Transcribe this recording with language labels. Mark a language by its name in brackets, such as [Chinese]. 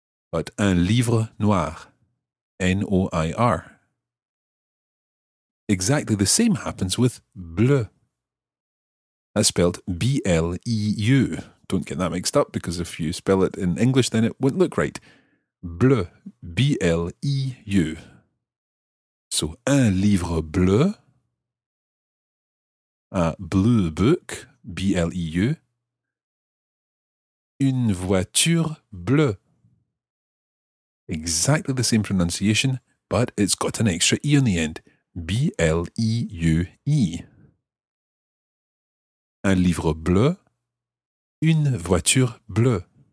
[French] But un livre noir. N-O-I-R. [English] Exactly the same happens with bleu. That's spelled B-L-E-U. Don't get that mixed up, because if you spell it in English, then it wouldn't look right. [French] Bleu. B-L-E-U. So, un livre bleu, [English] a blue book, [French] B-L-E-U, une voiture bleue. [English] Exactly the same pronunciation, but it's got an extra E on the end, B-L-E-U-E. [French] Un livre bleu, une voiture bleue.